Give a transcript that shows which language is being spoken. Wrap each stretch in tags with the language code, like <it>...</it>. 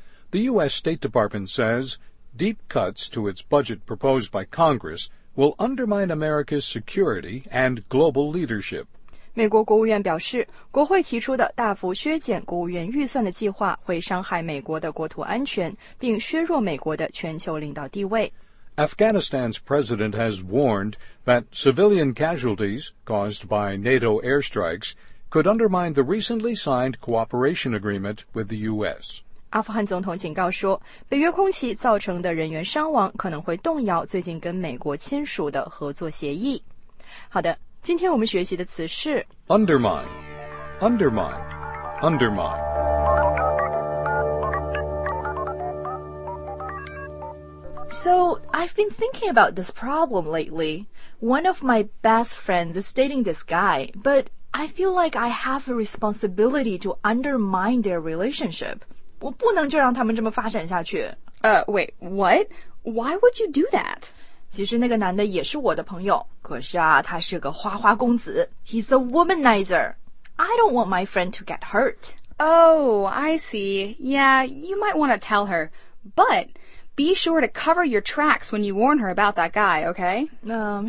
<en>The U.S. State Department says deep cuts to its budget proposed by Congress will undermine America's security and global leadership.</en> <zh>美国国务院表示，国会提出的大幅削减国务院预算的计划会伤害美国的国土安全，并削弱美国的全球领导地位。</zh> <en>Afghanistan's president has warned that civilian casualties caused by NATO airstrikes could undermine the recently signed cooperation agreement with the U.S.</en> <zh>阿富汗总统警告说，北约空袭造成的人员伤亡可能会动摇最近跟美国签署的合作协议。好的。今天我们学习的词是</zh> <en>undermine, undermine, undermine. So, I've been thinking about this problem lately. One of my best friends is dating this guy, but I feel like I have a responsibility to undermine their relationship.</en> <zh>我不能就让他们这么发展下去。</zh> <en>Wait, what? Why would you do that?</en> <zh>其实那个男的也是我的朋友，可是啊，他是个花花公子。</zh> <en>He's a womanizer. I don't want my friend to get hurt. Oh, I see. Yeah, you might want to tell her. But be sure to cover your tracks when you warn her about that guy, okay?</en>